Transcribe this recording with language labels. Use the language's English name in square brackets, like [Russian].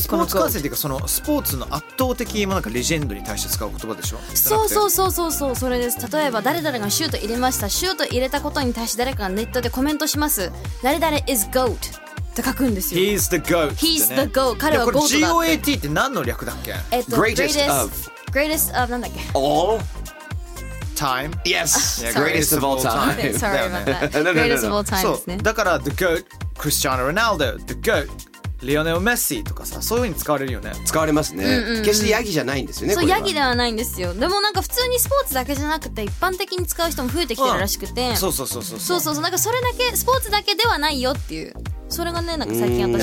[Japanese] スポーツ観戦っていうか、そのスポーツの圧倒的なんかレジェンドに対して使う言葉でしょ。そうそうそうそうそう、それです。例えば誰々がシュート入れました、シュート入れたことに対して誰かがネットでコメントします、誰々 is goat って書くんですよ。 [English] He's the goat、 He's the goat、 [Japanese] 彼はゴートだって。 GOAT って何の略だっけ？ [English] Greatest of、 Greatest of なんだっけ、 All Time? Yes! Greatest of all time. Sorry about that. [Japanese] Greatest of all time ですね。だから The GOAT Cristiano Ronaldo, The GOAT Lionel Messi とかさ、そういう風に使われるよね。使われますね、うんうんうん、決してヤギじゃないんですよね。そう、ヤギではないんですよ。でもなんか普通にスポーツだけじゃなくて一般的に使う人も増えてきてるらしくて、うん、そうそうそうそうそうそうそう、なんかそれだけ、スポーツだけではないよっていう、それがね、なんか最近私